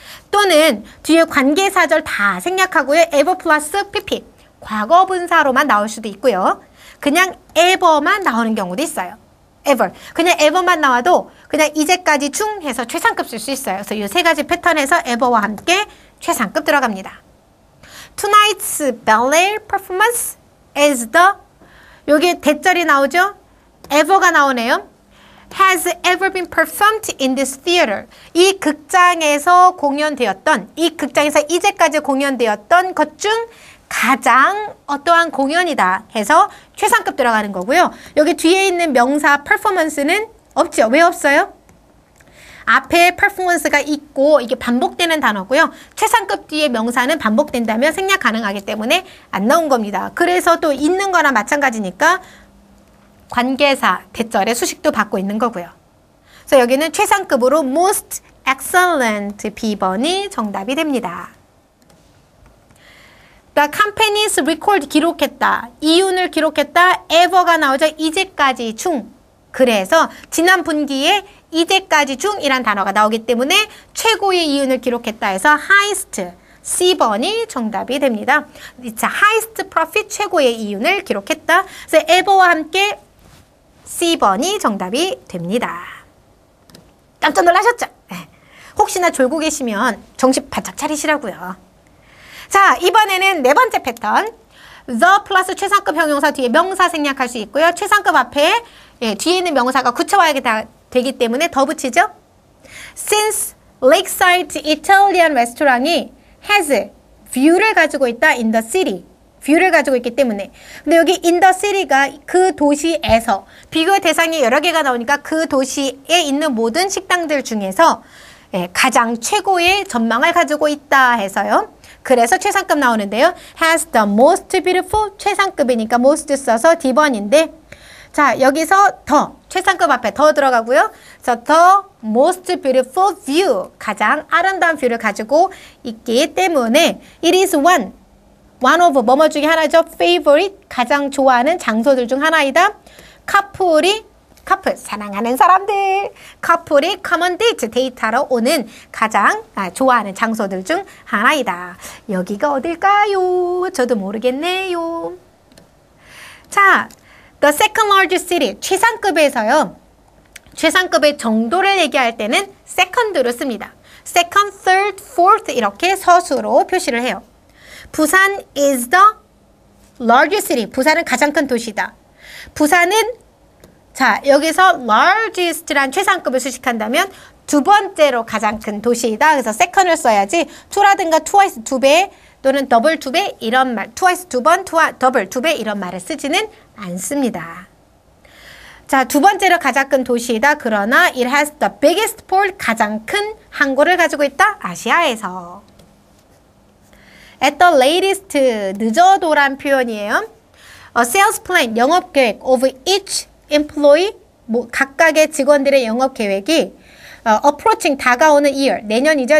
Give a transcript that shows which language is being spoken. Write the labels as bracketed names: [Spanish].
[Korean] 또는 뒤에 관계사절 다 생략하고요. ever plus pp 과거 분사로만 나올 수도 있고요. 그냥 ever만 나오는 경우도 있어요. ever 그냥 ever만 나와도 그냥 이제까지 중 해서 최상급 쓸 수 있어요. 그래서 이 세 가지 패턴에서 ever와 함께 최상급 들어갑니다. [English] Tonight's ballet performance is the [Korean] 여기 대절이 나오죠? ever가 나오네요. [English] Has ever been performed in this theater? [Korean] 이 극장에서 공연되었던 이 극장에서 이제까지 공연되었던 것 중 가장 어떠한 공연이다 해서 최상급 들어가는 거고요. 여기 뒤에 있는 명사 performance는 없죠. 왜 없어요? 앞에 performance가 있고 이게 반복되는 단어고요. 최상급 뒤에 명사는 반복된다면 생략 가능하기 때문에 안 나온 겁니다. 그래서 또 있는 거랑 마찬가지니까 관계사 대절의 수식도 받고 있는 거고요. 그래서 여기는 최상급으로 most excellent B번이 정답이 됩니다. [English] The company's record [Korean] 기록했다. 이윤을 기록했다. ever가 나오자 이제까지 중. 그래서 지난 분기에 이제까지 중이란 단어가 나오기 때문에 최고의 이윤을 기록했다 해서 highest C번이 정답이 됩니다. [English] It's a highest profit [Korean] 최고의 이윤을 기록했다. 그래서 ever와 함께 C번이 정답이 됩니다. 깜짝 놀라셨죠? 혹시나 졸고 계시면 정신 바짝 차리시라고요. 자, 이번에는 네 번째 패턴. The 플러스 최상급 형용사 뒤에 명사 생략할 수 있고요. 최상급 앞에 뒤에 있는 명사가 구체화 되기 때문에 더 붙이죠. [English] Since Lakeside Italian Restaurant이 has view를 [Korean] 가지고 있다 [English] in the city. [Korean] view를 가지고 있기 때문에. 근데 여기 in the city가 그 도시에서 비교 대상이 여러 개가 나오니까 그 도시에 있는 모든 식당들 중에서 가장 최고의 전망을 가지고 있다 해서요. 그래서 최상급 나오는데요. has the most beautiful 최상급이니까 most 써서 D번인데 자 여기서 더 최상급 앞에 더 들어가고요. [English] So the most beautiful view [Korean] 가장 아름다운 뷰를 가지고 있기 때문에 [English] it is one of [Korean] 뭐뭐 중에 하나죠. favorite 가장 좋아하는 장소들 중 하나이다. 카풀이 커플, 사랑하는 사람들. 커플이 커먼 데이트, 데이트하러 오는 가장 좋아하는 장소들 중 하나이다. 여기가 어딜까요? 저도 모르겠네요. 자, the second largest city, 최상급에서요. 최상급의 정도를 얘기할 때는 second로 씁니다. second, third, fourth 이렇게 서수로 표시를 해요. [English] 부산 is the largest city. [Korean] 부산은 가장 큰 도시다. 부산은 자 여기서 largest란 최상급을 수식한다면 두 번째로 가장 큰 도시이다. 그래서 second을 써야지 two라든가 twice 두 배 또는 double 두 배 이런 말 twice 두 번, double 두 배 이런 말을 쓰지는 않습니다. 자, 두 번째로 가장 큰 도시이다. 그러나 [English] it has the biggest port, [Korean] 가장 큰 항구를 가지고 있다. 아시아에서. [English] At the latest, [Korean] 늦어도란 표현이에요. [English] A sales plan, [Korean] 영업계획 of each employee, 뭐 각각의 직원들의 영업계획이 approaching, 다가오는 year, 내년이죠.